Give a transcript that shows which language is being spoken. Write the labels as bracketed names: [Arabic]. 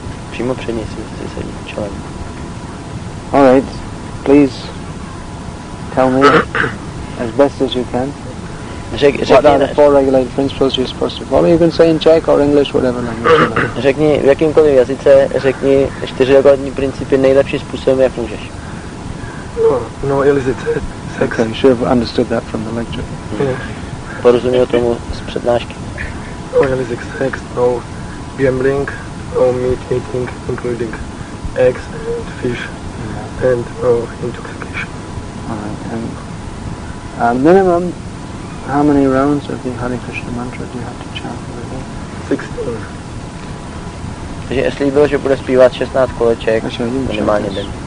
[Czech] Přímo před něj si sedí člověk. [English] All right, please tell me as best as you can. What are the four regulated principles you're supposed to follow? You can say in Czech or English, whatever language. [Czech] Řekni v jakýmkoliv jazyce, řekni čtyři regulární principy nejlepší způsobem, jak můžeš. [English] No, illicit sex. Okay, you should have understood that from the lecture. Yeah. [Czech] Porozuměl tomu z přednášky. [English] No, illicit sex, no gambling, no meat eating, including eggs and fish, yeah. And no intoxication. All right, and a minimum How many rounds of the Hare Krishna mantra do you have to chant every day? 16. [Czech] Takže je slíbil, že bude zpívat 16 koleček, minimálně den.